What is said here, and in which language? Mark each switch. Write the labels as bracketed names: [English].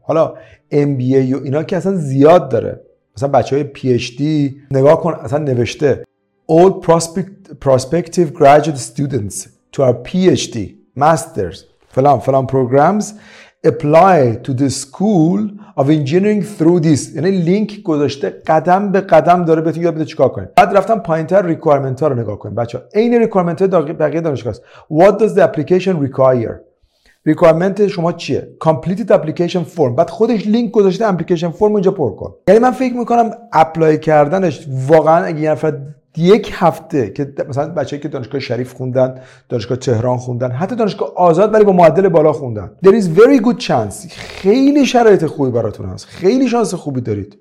[Persian] حالا ام بی ای و اینا که اصلا زیاد داره، مثلا بچهای پی اچ دی نگاه کن، اصلا نوشته [English] old prospective graduate students to our PhD, masters, [Persian] فلان فلان [English] programs, apply to the school of engineering through this. [Persian] یعنی لینک گذاشته، قدم به قدم داره بهتون یاد میده چیکار کنید. بعد رفتم پایین‌تر ریکوایرمنت ها رو نگاه کنید بچه ها. این ریکوایرمنت های بقیه دانشگاه است. [English] What does the application require? [Persian] ریکوایرمنت شما چیه؟ کامپلیتد اپلیکیشن فرم. بعد خودش لینک گذاشته اپلیکیشن فرم، اونجا پر کن. یعنی من فکر میکنم اپلای کردنش واقعا اگه یه نفر یک هفته که مثلا بچه‌ای که دانشگاه شریف خوندن، دانشگاه تهران خوندن، حتی دانشگاه آزاد ولی با معدل بالا خوندن، [English] there is very good chance، [Persian] خیلی شرایط خوبی براتون هست، خیلی شانس خوبی دارید.